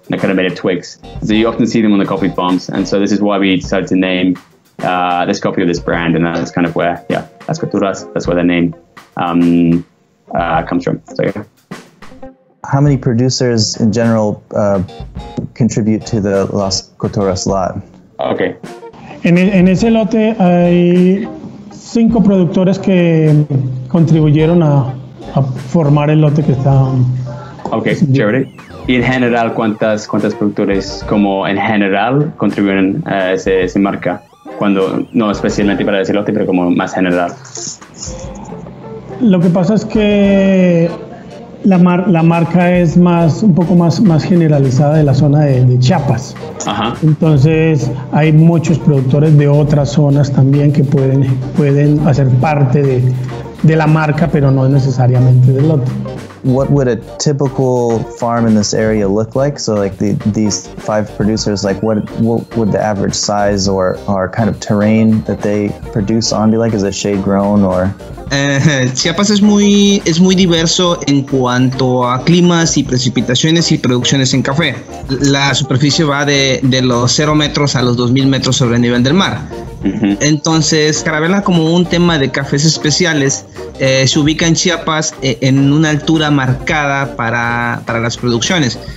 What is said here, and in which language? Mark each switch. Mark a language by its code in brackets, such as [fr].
[en] They're kind of made of twigs, so you often see them on the coffee farms. And so this is why we decided to name this coffee of this brand, and that's kind of where, yeah, Las Cotorras, that's where their name comes from. So yeah. How many producers in general contribute to the Las Cotorras lot? Okay. [es] En ese lote hay cinco productores que contribuyeron a formar el lote que está. Okay, chévere. Y en general, ¿cuántas productores como en general contribuyen a ese marca? Cuando, no especialmente para ese lote, pero como más general. Lo que pasa es que la marca es más, un poco más generalizada de la zona de Chiapas. Ajá. Entonces hay muchos productores de otras zonas también que pueden hacer parte de la marca, pero no necesariamente del lote. [en] What would a typical farm in this area look like? So like these five producers, like what would the average size or kind of terrain that they produce on be like? Is it shade grown or? [es] Chiapas es muy diverso en cuanto a climas y precipitaciones y producciones en café. La superficie va de los 0 metros a los 2000 metros sobre el nivel del mar. Entonces, Caravela, como un tema de cafés especiales, se ubica en Chiapas en una altura marcada para las producciones.